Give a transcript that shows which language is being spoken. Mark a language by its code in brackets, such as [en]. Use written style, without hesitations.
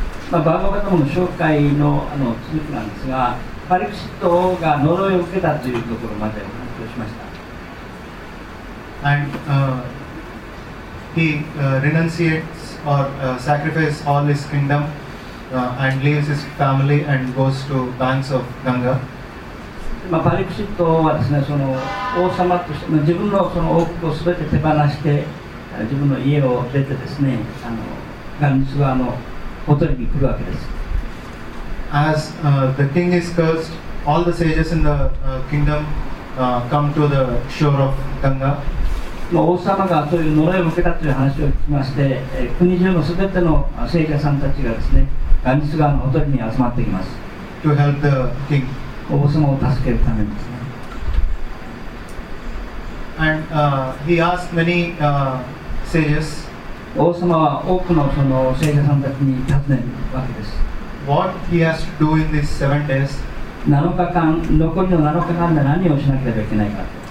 [ja] バーガバタムの紹介 の、 あの続きなんですが、パリクシットが呪いを受けたというところまで発表しました。 [en] And, he renunciates or sacrifices all his kingdom and leaves his family and goes to banks of Ganga。 [ja] まあ、パリクシットはですね、その王様として、まあ、自分 の、 その王国を全て手放して自分の家を出てですね、あのガンジス川のホテルに来るわけです。 [en] As the king is cursed, all the sages in the kingdom come to the shore of Ganga。 [ja] 王様がそういう呪いを受けたという話を聞きまして、国中の全ての聖者さんたちがですね、ガンジス川のホテルに集まってきます。 [en] To help the king。 [ja] 王様を助けるためですね。 [en] And he asked many sages。 [ja] 王様は多く の、 その聖者さんたちに尋ねるわけです。 [en] What he has to do in these seven days? [ja] 7日間、残りの7日間で何をしなければいけないかと。